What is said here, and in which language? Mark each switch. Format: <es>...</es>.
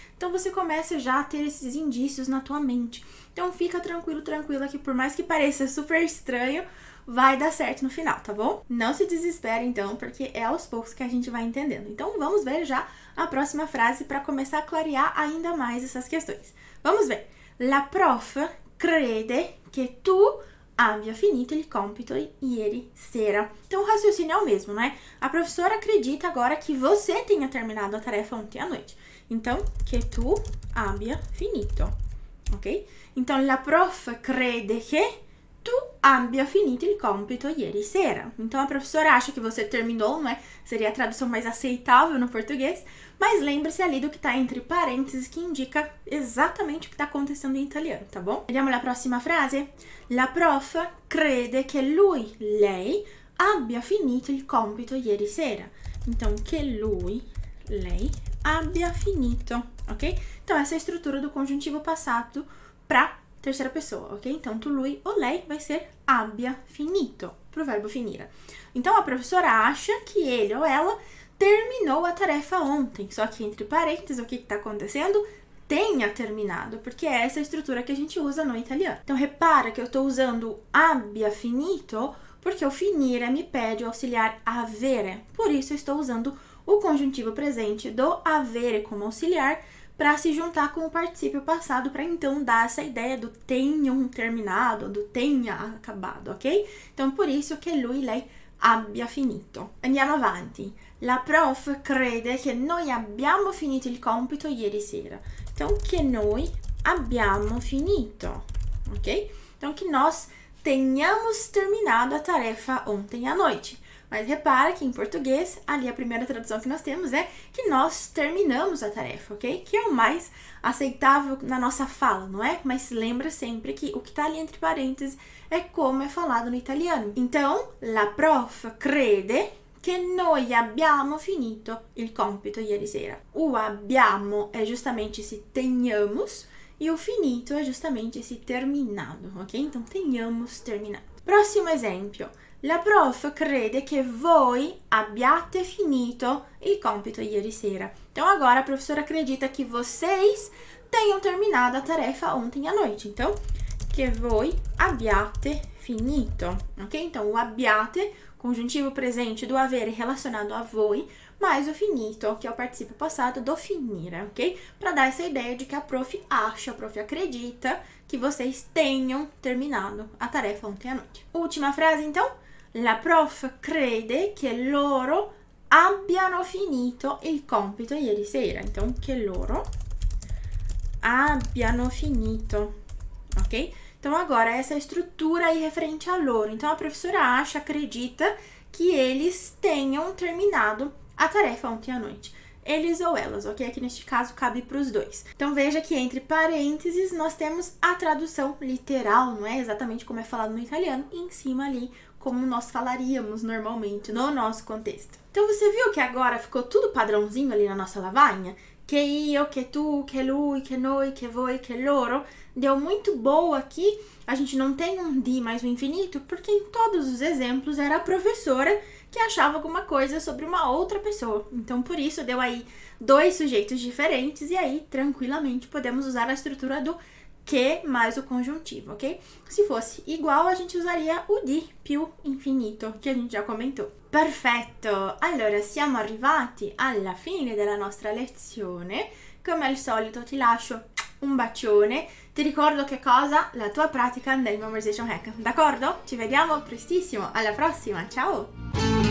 <pt>Então, você começa já a ter esses indícios na tua mente. Então, fica tranquilo, tranquila, que por mais que pareça super estranho, vai dar certo no final, tá bom? Não se desespere, então, porque é aos poucos que a gente vai entendendo. Então, vamos ver já a próxima frase para começar a clarear ainda mais essas questões. Vamos ver.</pt> <it>La prof crede che tu abbia finito il compito ieri sera.</it> <pt>Então, o raciocínio é o mesmo, né? A professora acredita agora que você tenha terminado a tarefa ontem à noite.</pt> <it>Então, che tu abbia finito. Ok? Então, la prof crede che tu abbia finito il compito ieri sera.</it> <pt>Então, a professora acha que você terminou, não é? Seria a tradução mais aceitável no português. Mas lembre-se ali do que está entre parênteses, que indica exatamente o que está acontecendo em italiano, tá bom?</pt> <it>Vediamo la prossima frase. La prof crede che lui, lei, abbia finito il compito ieri sera. Então, che lui, lei, abbia finito, ok?</it> <pt>Então, essa é a estrutura do congiuntivo passato para terceira pessoa, ok? Então, tu, lui ou lei vai ser</pt> <it>abbia finito,</it> <pt>pro verbo finire. Então, a professora acha que ele ou ela terminou a tarefa ontem. Só que, entre parênteses, o que está acontecendo? Tenha terminado, porque é essa estrutura que a gente usa no italiano. Então, repara que eu estou usando</pt> <it>abbia finito,</it> <pt>porque o finire me pede o auxiliar avere. Por isso, eu estou usando o conjuntivo presente do avere como auxiliar, para se juntar com o particípio passado, para então dar essa ideia do tenham terminado, do tenha acabado, ok? Então, por isso que</pt> <it>lui, lei, abbia finito. Andiamo avanti. La prof crede che noi abbiamo finito il compito ieri sera. Então, che noi abbiamo finito, ok?</it> <pt>Então, que nós tenhamos terminado a tarefa ontem à noite. Mas repara que em português, ali a primeira tradução que nós temos é que nós terminamos a tarefa, ok? Que é o mais aceitável na nossa fala, não é? Mas lembra sempre que o que está ali entre parênteses é como é falado no italiano.</pt> <it>Então, la prof crede che noi abbiamo finito il compito ieri sera.</it> <pt>O abbiamo é justamente esse tenhamos e o finito é justamente esse terminado, ok? Então, tenhamos terminado. Próximo exemplo.</pt> <it>La prof crede che voi abbiate finito il compito ieri sera.</it> <pt>Então, agora a professora acredita que vocês tenham terminado a tarefa ontem à noite. Então,</pt> <it>che voi abbiate finito, ok?</it> <pt>Então, o abbiate, conjuntivo presente do haver relacionado a voi, mais o finito, que é o participio passado do finire, ok? Para dar essa ideia de que a prof acha, a prof acredita que vocês tenham terminado a tarefa ontem à noite. Última frase, então.</pt> <it>La prof crede che loro abbiano finito il compito ieri sera. Então, che loro abbiano finito, ok?</it> <pt>Então, agora, essa estrutura aí referente a loro. Então, a professora acha, acredita que eles tenham terminado a tarefa ontem à noite. Eles ou elas, ok? Aqui, neste caso, cabe para os dois. Então, veja que entre parênteses, nós temos a tradução literal, não é? Exatamente como é falado no italiano, em cima ali, como nós falaríamos normalmente no nosso contexto. Então, você viu que agora ficou tudo padrãozinho ali na nossa lavagna? Que io, que tu, que lui, que noi, que voi, que loro. Deu muito boa aqui. A gente não tem um di mais o infinito, porque em todos os exemplos era a professora que achava alguma coisa sobre uma outra pessoa. Então, por isso, deu aí dois sujeitos diferentes e aí, tranquilamente, podemos usar a estrutura do que mais o conjuntivo, ok? Se fosse igual, a gente usaria o di più infinito,</pt> <it>che a gente già commentò. Perfetto! Allora, siamo arrivati alla fine della nostra lezione. Come al solito, ti lascio un bacione. Ti ricordo che cosa? La tua pratica nel Memorization Hack, d'accordo? Ci vediamo prestissimo, alla prossima, ciao!</it>